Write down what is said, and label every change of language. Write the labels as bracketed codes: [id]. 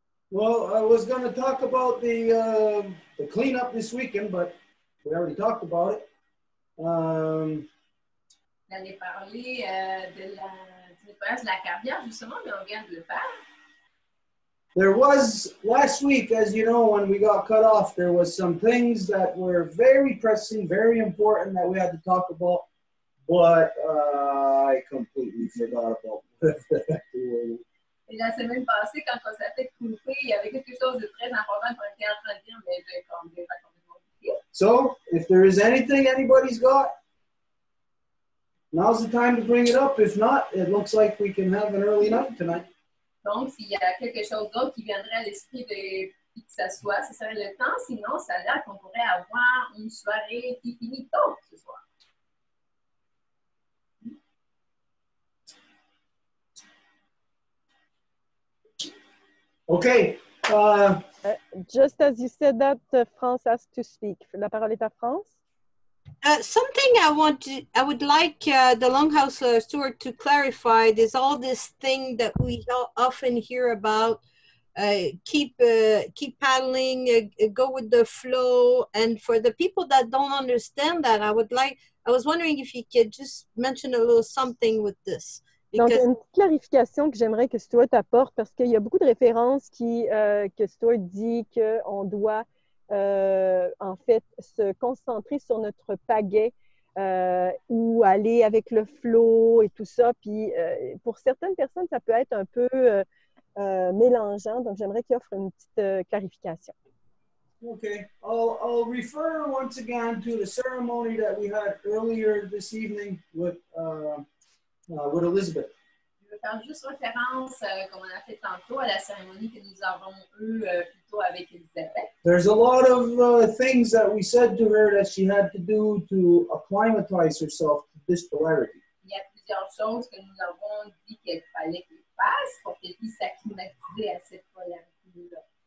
[en] Well, I was going to talk about the cleanup this weekend, but we already talked about it. [fr] J'allais parler de la nettoyage de la carrière justement, mais on vient de le faire. [en] There was last week, as you know, when we got cut off, there was some things that were very pressing, very important that we had to talk about. But I completely forgot about it. [fr] La semaine passée, quand on s'est fait couper, il y avait quelque chose de très important qu'on était en train de dire, mais j'ai pas complètement oublié. [en] So, if there is anything anybody's got, now's the time to bring it up. If not, it looks like we can have an early night tonight. [fr] Donc, s'il y a quelque chose d'autre qui viendrait à l'esprit de qui que ce soit, ce serait le temps. Sinon, ça a l'air qu'on pourrait avoir une soirée qui finit tôt ce soir. [en] Okay. Just as you said that, France has to speak. [fr] La parole est à France. [en] Something I would like the Longhouse steward to clarify is all this thing that we often hear about keep paddling, go with the flow. And for the people that don't understand that, I was wondering if you could just mention a little something with this. [fr] Donc, il y a une petite clarification que j'aimerais que Stuart apporte parce qu'il y a beaucoup de références que Stuart dit qu'on doit, en fait, se concentrer sur notre pagaie ou aller avec le flow et tout ça. Puis, pour certaines personnes, ça peut être un peu mélangeant. Donc, j'aimerais qu'il offre une petite clarification. [en] OK. I'll refer once again to the ceremony that we had earlier this evening with Elizabeth. [fr] Je vais faire juste référence, comme on a fait tantôt, à la cérémonie que nous avons eue plutôt avec Elizabeth. [en] There's a lot of things that we said to her that she had to do to acclimatize herself to this polarity. [fr] Il y a plusieurs choses que nous avons dit qu'il fallait qu'elle fasse pour qu'elle puisse s'acclimatiser à cette polarité-là.